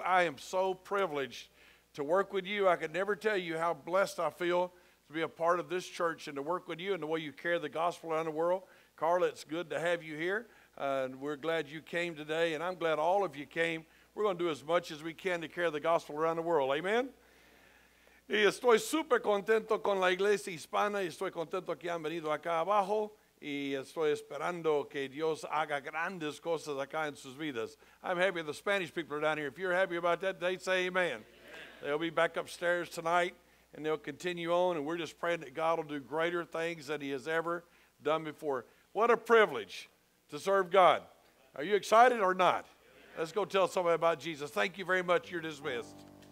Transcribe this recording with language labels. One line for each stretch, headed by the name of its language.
English: I am so privileged to work with you. I could never tell you how blessed I feel to be a part of this church and to work with you and the way you carry the gospel around the world. Carla, it's good to have you here. And we're glad you came today, and I'm glad all of you came. We're going to do as much as we can to carry the gospel around the world. Amen?
Spanish: Y estoy super contento con la iglesia hispana. Estoy contento que han venido acá abajo. Y estoy esperando que Dios haga grandes cosas acá en sus vidas.
English: I'm happy the Spanish people are down here. If you're happy about that, they say amen. Amen. They'll be back upstairs tonight. And they'll continue on, and we're just praying that God will do greater things than he has ever done before. What a privilege to serve God. Are you excited or not? Let's go tell somebody about Jesus. Thank you very much. You're dismissed.